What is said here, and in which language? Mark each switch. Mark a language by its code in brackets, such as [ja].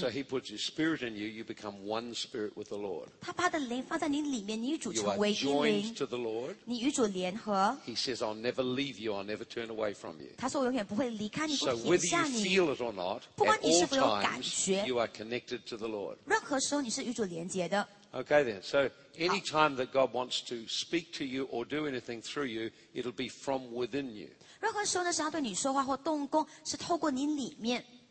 [en] So He puts His Spirit in you, you become one spirit with the Lord. [zh] 他把的灵放在你里面，你与主成为一灵。 [en] You are joined to the Lord. [zh] 你与主联合。 [en] He says, "I'll never leave you. I'll never turn away from you." [zh] 他说我永远不会离开你，不撇下你。 [en] So whether you feel it or not, [zh] 不管你。 [en] You are connected to the Lord. [zh] 任何时候你是与主连接的。 [en] Okay then. So any time that God wants to speak to you or do anything through you, it'll be from within you. [zh] 任何时候呢，神要对你说话或动工，是透过你里面。